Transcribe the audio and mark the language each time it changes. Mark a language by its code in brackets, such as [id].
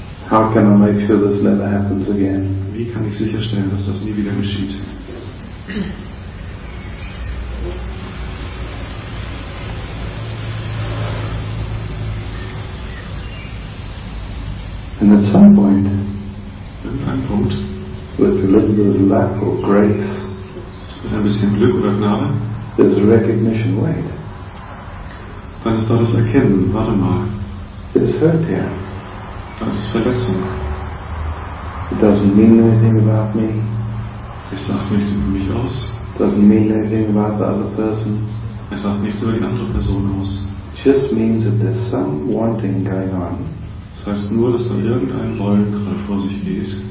[en] How can I make sure this never happens again? [de] Wie kann ich sicherstellen, dass das nie wieder geschieht? [en] And at some point, [de] irgendein Punkt, [en] with a little bit of luck or grace, [de] mit ein bisschen Glück oder Gnade, [en] there's a recognition, wait. [de] Dann ist da das Erkennen, warte mal. [en] It's hurt here. [de] Das ist Verletzung. [en] It doesn't mean anything about me. [de] Es sagt nichts über mich aus. [en] It doesn't mean anything about the other person. [de] Es sagt nichts über die andere Person aus. [en] It just means that there's some wanting going on. [de] Das heißt nur, dass da irgendein Wollen gerade vor sich geht.